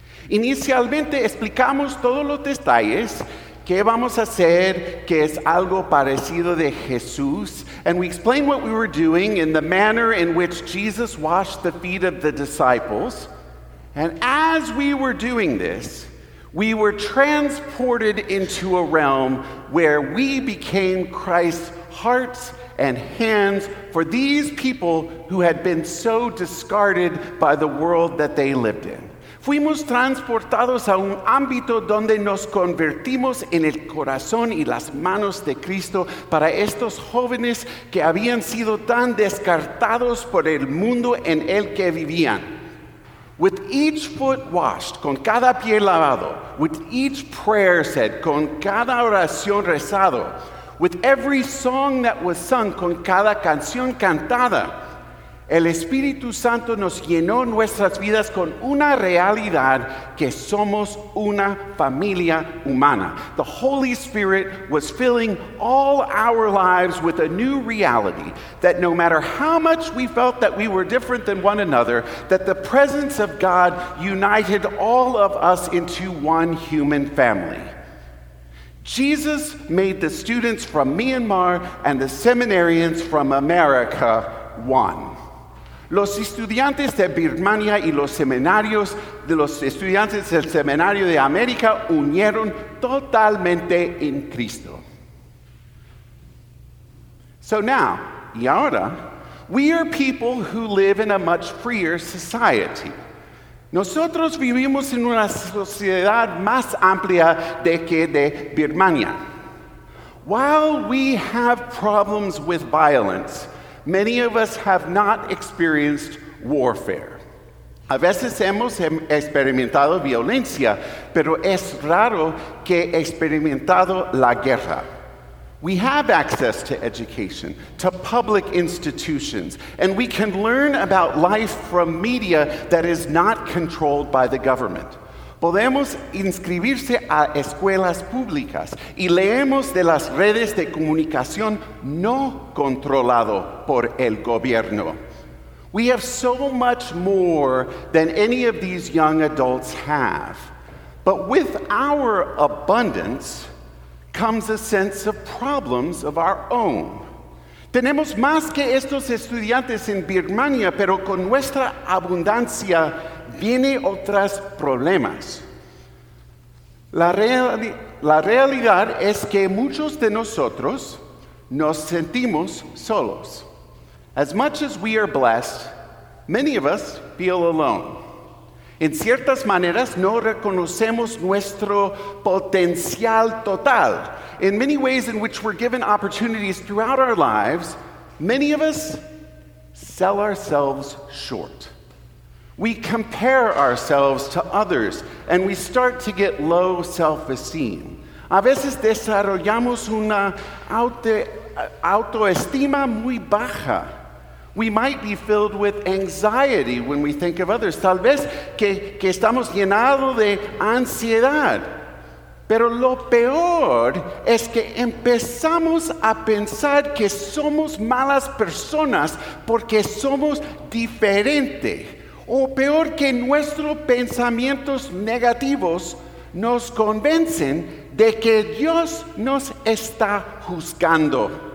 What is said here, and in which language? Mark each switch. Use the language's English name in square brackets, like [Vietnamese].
[Spanish] Inicialmente explicamos todos los detalles, qué vamos a hacer, que es algo parecido de Jesús. [English] And we explained what we were doing in the manner in which Jesus washed the feet of the disciples. And as we were doing this, we were transported into a realm where we became Christ's hearts and hands for these people who had been so discarded by the world that they lived in. [Spanish] Fuimos transportados a un ámbito donde nos convertimos en el corazón y las manos de Cristo para estos jóvenes que habían sido tan descartados por el mundo en el que vivían. [English] With each foot washed, [Spanish] con cada pie lavado, [English] with each prayer said, [Spanish] con cada oración rezado, [English] with every song that was sung, [Spanish] con cada canción cantada, el Espíritu Santo nos llenó nuestras vidas con una realidad que somos una familia humana. [English] The Holy Spirit was filling all our lives with a new reality that no matter how much we felt that we were different than one another, that the presence of God united all of us into one human family. Jesus made the students from Myanmar and the seminarians from America one. [Spanish] Los estudiantes de Birmania y los estudiantes del Seminario de América unieron totalmente en Cristo. [English] So now, [Spanish] y ahora, [English] we are people who live in a much freer society. [Spanish] Nosotros vivimos en una sociedad más amplia de que de Birmania. [English] While we have problems with violence, many of us have not experienced warfare. [Spanish] A veces hemos experimentado violencia, pero es raro que experimentado la guerra. [English] We have access to education, to public institutions, and we can learn about life from media that is not controlled by the government. [Spanish] Podemos inscribirse a escuelas públicas y leemos de las redes de comunicación no controlado por el gobierno. [English] We have so much more than any of these young adults have. But with our abundance comes a sense of problems of our own. [Spanish] Tenemos más que estos estudiantes en Birmania, pero con nuestra abundancia vienen otros problemas. La realidad es que muchos de nosotros nos sentimos solos. [English] As much as we are blessed, many of us feel alone. [Spanish] En ciertas maneras, no reconocemos nuestro potencial total. [English] In many ways in which we're given opportunities throughout our lives, many of us sell ourselves short. We compare ourselves to others, and we start to get low self-esteem. [Spanish] A veces desarrollamos una autoestima muy baja. [English] We might be filled with anxiety when we think of others. [Spanish] Tal vez que estamos llenados de ansiedad. Pero lo peor es que empezamos a pensar que somos malas personas porque somos diferente. O peor, que nuestros pensamientos negativos nos convencen de que Dios nos está juzgando.